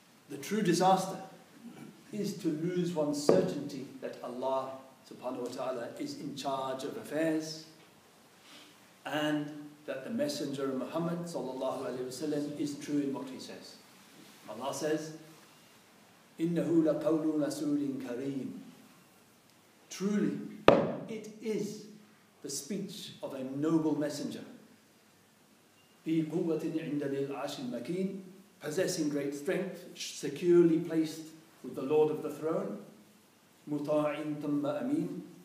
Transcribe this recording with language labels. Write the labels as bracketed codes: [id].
[en] The true disaster is to lose one's certainty that Allah subhanahu wa ta'ala is in charge of affairs, and that the Messenger of Muhammad sallallahu alayhi wa sallam is true in what he says. Allah says, [ar] إِنَّهُ لَقَوْلُ رَسُولٍ كَرِيمٍ. [en] Truly, it is the speech of a noble messenger. [ar] بِقُوَّةٍ عِنْدَ لِلْعَشِ الْمَكِينَ. [en] Possessing great strength, securely placed with the Lord of the throne. [ar] مُطَاعٍ ثُمَّ أَمِينٍ.